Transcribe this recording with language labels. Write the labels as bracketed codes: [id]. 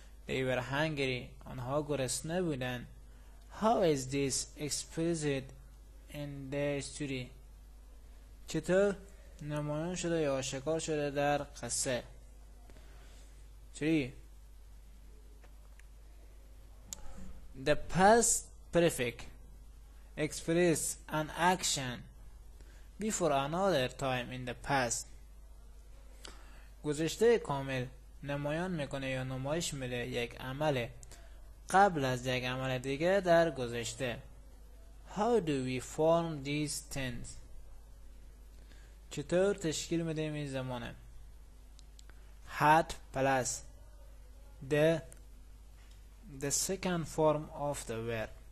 [en] They were hungry. [fa] آنها گرسنه بودن. [en] How is this expressed in the story? [fa] چطور نمایان شده یا آشکار شده در قصه؟ 3. [en] The past perfect expresses an action before another time in the past. [fa] گذشته کامل نمایان میکنه یا نمایش میده یک عمله قبل از یک عمل دیگه در گذشته. [en] How do we form these tense؟ [fa] چطور تشکیل میدیم این زمانه؟ [en] Had plus the second form of the verb.